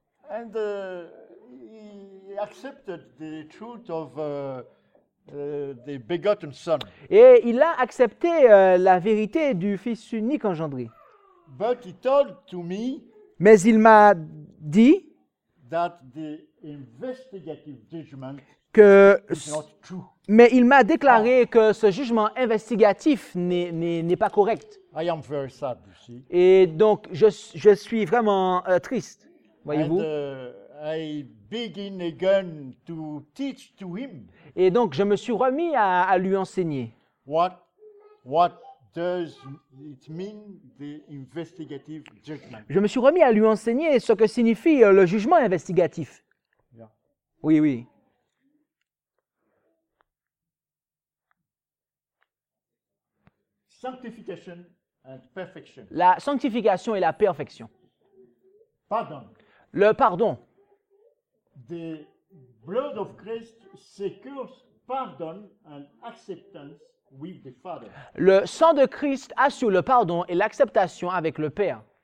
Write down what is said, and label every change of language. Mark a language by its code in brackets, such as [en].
[en] And he accepted the truth of the begotten son. [fr] Et il a accepté la vérité du fils unique engendré. [en] But he told to me, [fr] mais il m'a dit [en] that the investigative judgment [fr] que [en] is not true. [fr] Mais il m'a déclaré que ce jugement investigatif n'est pas correct. [en] I am very sad, you see. [fr] Et donc je suis vraiment triste, voyez-vous. [en] And, I begin again to teach to him. [fr] Et donc je me suis remis à lui enseigner. [en] What does it mean the investigative judgment? [fr] Je me suis remis à lui enseigner ce que signifie le jugement investigatif. [en] Yeah. [fr] Oui, oui. [en] Sanctification and perfection. [fr] La sanctification et la perfection. [en] Pardon. [fr] Le pardon. [en] The blood of Christ secures pardon and acceptance with the Father. [fr] Le sang de Christ assure le pardon et l'acceptation avec le Père.